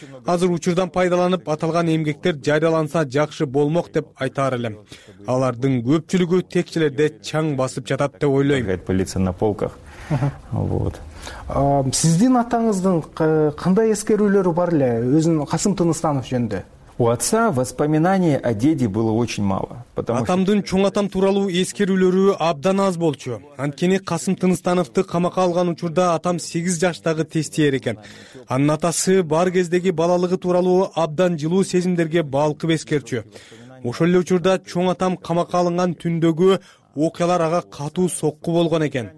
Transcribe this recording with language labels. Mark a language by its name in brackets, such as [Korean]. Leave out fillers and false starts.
[Kyrgyz] Азыр учурдан пайдаланып аталган эмгектер жарыяланса жакшы болмок деп айтаар элем. Алардын көпчүлүгү текчелерде чаң басып жатат деп ойлойм. [Russian] Полиция на полках. Вот. [Kyrgyz] Сиздин атаңыздын кандай эскерүүлөрү бар эле өзүн Касым Тыныстанов жөнүндө? [Russian] У отца воспоминаний о деде было очень мало. [Kyrgyz] Атамдын чоң атам тууралуу эскерүүлөрү абдан аз болчу. Анткени Касым Тыныстановду камакка алган учурда атам 8 жаштагы тестиер экен. Анын атасы бар кездеги балалыгы тууралуу абдан жылуу сезимдерге балкып эскерчү. Ошол эле учурда чоң атам камакка алынган түндөгү окуялар ага катуу сокку болгон экен.